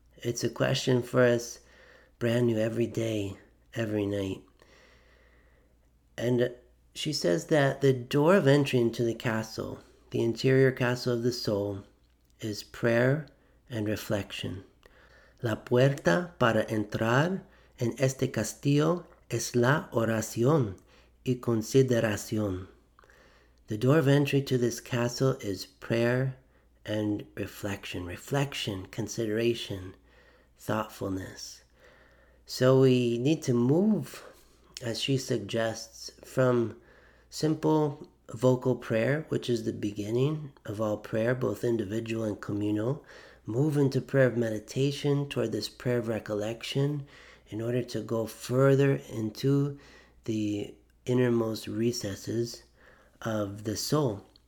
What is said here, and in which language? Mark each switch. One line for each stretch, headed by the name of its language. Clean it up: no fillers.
English: It's a question for us brand new every day, every night. And she says that the door of entry into the castle, the interior castle of the soul, is prayer and reflection.
Spanish: La puerta para entrar en este castillo es la oración y consideración.
English: The door of entry to this castle is prayer and reflection. Reflection, consideration, thoughtfulness. So we need to move, as she suggests, from simple vocal prayer, which is the beginning of all prayer, both individual and communal, move into prayer of meditation toward this prayer of recollection in order to go further into the innermost recesses of the soul.